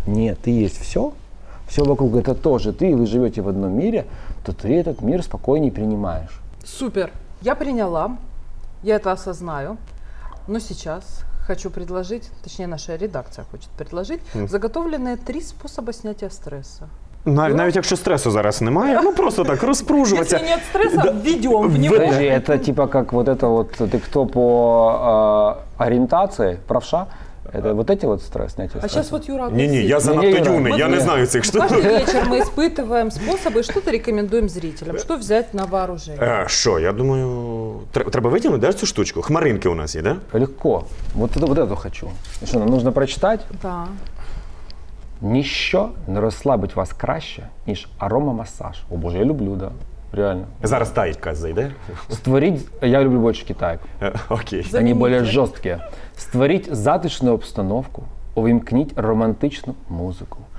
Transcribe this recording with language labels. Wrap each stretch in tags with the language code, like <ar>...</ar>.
<ru>Нет, ты есть все. Все вокруг это тоже ты, и вы живете в одном мире, то ты этот мир спокойнее принимаешь. Супер. Я приняла, я это осознаю, но сейчас хочу предложить, точнее наша редакция хочет предложить, заготовленные 3 способа снятия стресса.</ru> <uk>Навіть якщо стресу зараз немає, ну просто так розпружуватися. Якщо немає стресу, введемо в нього. Подожди, це типа як от це, ти хто по орієнтації, правша?</uk> <ru>Это вот эти вот стресс, снятие стресса. А сейчас вот Юра... Не-не, я занадто юный, я не знаю этих штук. Каждый вечер мы испытываем способы, что-то рекомендуем зрителям, что взять на вооружение. Что, я думаю, треба вытянуть, да, эту штучку? Хмаринки у нас есть, да? Легко. Вот эту хочу. Что, нам нужно прочитать? Да.</ru> <uk>Ніщо не розслабить вас краще, ніж аромамасаж.</uk> <ru>О, Боже, я люблю, да. Реально.</ru> <uk>Зараз тайка зайде. Створіть... Я люблю бочки тайк. Окей. Okay. Вони більш жорсткі. Створіть затишну обстановку, увімкніть романтичну музику.</uk>